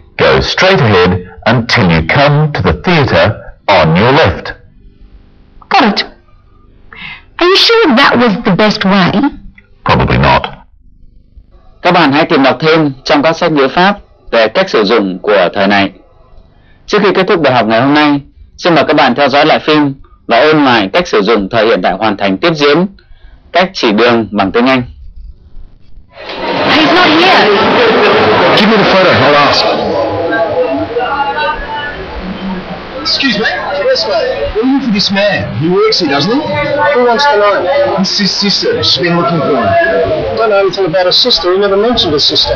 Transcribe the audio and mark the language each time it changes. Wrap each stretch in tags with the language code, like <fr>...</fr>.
<en>Go straight ahead until you come to the theater on your left. Got it. Are you sure that was the best way? Probably not.</en> <vi>Các bạn hãy tìm đọc thêm trong các sách ngữ pháp về cách sử dụng của thời này. Trước khi kết thúc bài học ngày hôm nay, xin mời các bạn theo dõi lại phim và ôn lại cách sử dụng thời hiện tại hoàn thành tiếp diễn. Cách chỉ đường bằng tiếng Anh.</vi> <en>He's not here. Give me the photo, I'll ask. Excuse me, yes, ma'am. Looking for this man. He works here, doesn't he? Who wants to know? It's his sister. She's been looking for him. I don't know anything about a sister. He never mentioned a sister.</en>